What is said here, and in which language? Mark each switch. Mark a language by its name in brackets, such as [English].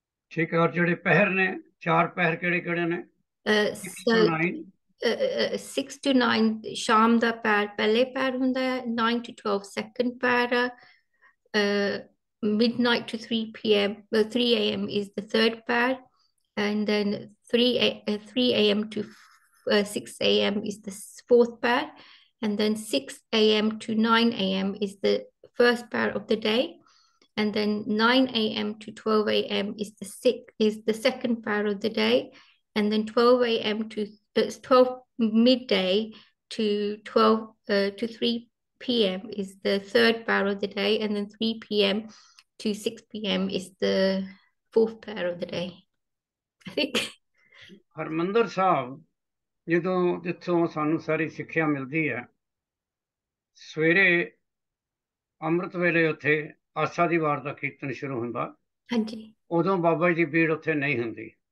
[Punjabi] ਠੀਕ ਹੈ ਔਰ ਜਿਹੜੇ ਪਹਿਰ ਨੇ ਚਾਰ ਪਹਿਰ ਕਿਹੜੇ ਕਿਹੜੇ ਨੇ 6 to 9 ਸਿਕਸ ਟੂ ਨਾਈਨ ਸ਼ਾਮ ਦਾ ਪਹਿਰ ਪਹਿਲੇ ਪਹਿਰ ਹੁੰਦਾ ਹੈ 9 to 12 ਸੈਕਿੰਡ ਪਹਿਰ [English] midnight to 3 PM 3 AM is the third pair, and then 3 AM to 6 AM is the fourth pair, and then 6 AM to 9 AM is the first pair of the day, and then 9 AM to 12 AM is the second pair of the day, and then 12 AM to 12 midday to 12 to 3 PM is the third pair of the day, and then 3 PM to 6 PM is the fourth pair of the day. I think [Punjabi] Harmandir ਸਾਹਿਬ ਜਦੋਂ ਜਿੱਥੋਂ ਸਾਨੂੰ ਸਾਰੀ ਸਿੱਖਿਆ ਮਿਲਦੀ ਹੈ ਸਵੇਰੇ ਅੰਮ੍ਰਿਤ ਵੇਲੇ ਉੱਥੇ ਆਸਾ ਦੀ ਵਾਰ ਦਾ ਕੀਰਤਨ ਸ਼ੁਰੂ ਹੁੰਦਾ ਹਾਂਜੀ ਉਦੋਂ ਬਾਬਾ ਜੀ ਪੀੜ ਉੱਥੇ ਨਹੀਂ ਹੁੰਦੀ